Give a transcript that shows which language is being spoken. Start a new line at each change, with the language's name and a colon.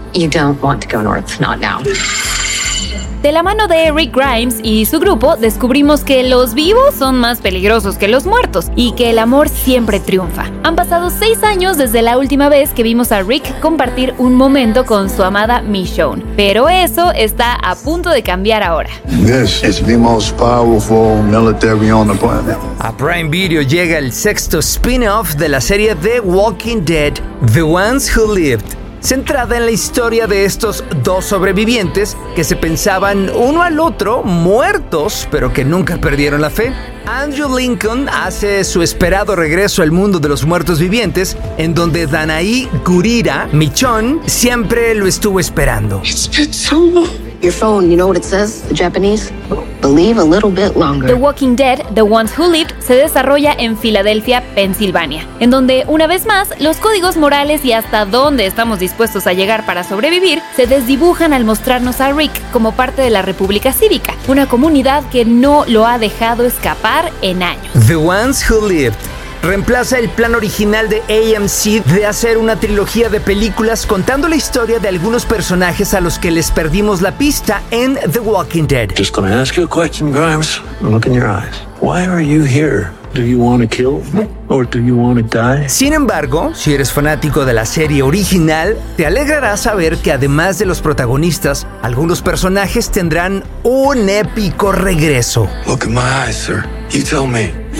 English: You don't want to go north, not now.
Spanish: De la mano de Rick Grimes y su grupo, descubrimos que los vivos son más peligrosos que los muertos y que el amor siempre triunfa. Han pasado 6 años desde la última vez que vimos a Rick compartir un momento con su amada Michonne, pero eso está a punto de cambiar ahora.
English: This is the most powerful military on the planet.
Spanish: A Prime Video llega el 6th spin-off de la serie The Walking Dead, The Ones Who Lived, centrada en la historia de estos 2 sobrevivientes que se pensaban uno al otro muertos, pero que nunca perdieron la fe. Andrew Lincoln hace su esperado regreso al mundo de los muertos vivientes, en donde Danai Gurira, Michonne, siempre lo estuvo esperando.
English: It's been so long. Your phone, you know what it says, the Japanese? Believe a little bit longer.
Spanish: The Walking Dead, The Ones Who Lived, se desarrolla en Filadelfia, Pensilvania, en donde, una vez más, los códigos morales y hasta dónde estamos dispuestos a llegar para sobrevivir se desdibujan al mostrarnos a Rick como parte de la República Cívica, una comunidad que no lo ha dejado escapar en años. The Ones Who Lived reemplaza el plan original de AMC de hacer una trilogía de películas contando la historia de algunos personajes a los que les perdimos la pista en The Walking Dead.
English: Just gonna ask you a question, Grimes. Look in your eyes. Why are you here? Do you want to kill or do you want to die?
Spanish: Sin embargo, si eres fanático de la serie original, te alegrará saber que además de los protagonistas, algunos personajes tendrán un épico regreso.
English: Look in my eyes, sir. You tell me.